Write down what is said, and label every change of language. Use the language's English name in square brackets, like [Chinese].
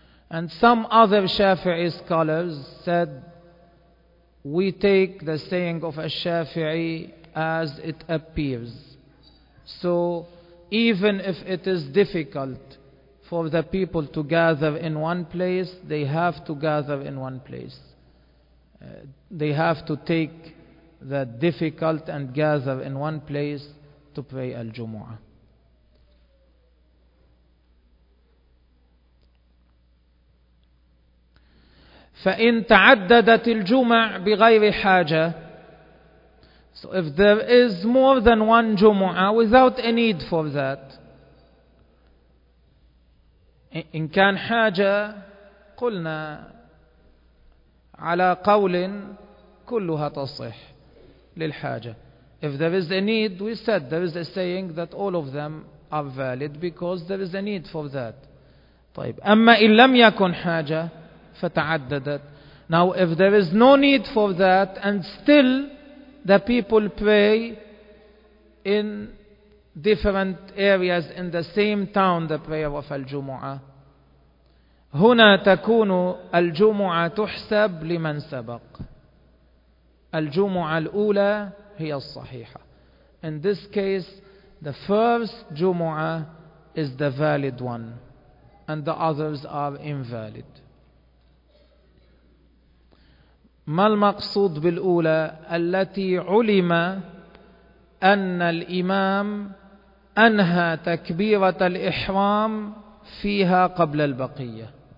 [English] And some other Shafi'i scholars said we take the saying of al-Shafi'i as it appears. So even if it is difficult for the people to gather in one place, they have to gather in one place. They have to take the difficult and gather in one place to pray al-Jumu'ah. [Arabic] فإن تعددت الجمع بغير حاجة. [English] So if there is more than one Jumu'ah without a need for that, [Arabic] إن كان حاجة قلنا على قول كلها تصح للحاجة. [English] If there is a need, we said there is a saying that all of them are valid because there is a need for that. [Arabic] طيب أما إن لم يكن حاجة فتعددت. [English] Now if there is no need for that and still the people pray in different areas in the same town the prayer of al-Jumu'ah, [Arabic] هنا تكون الجمعة تحسب لمن سبق. الجمعة الأولى هي الصحيحة. [English] In this case the first Jumu'ah is the valid one and the others are invalid. [Arabic] ما المقصود بالأولى التي علم أن الإمام أنهى تكبيرة الإحرام فيها قبل البقية.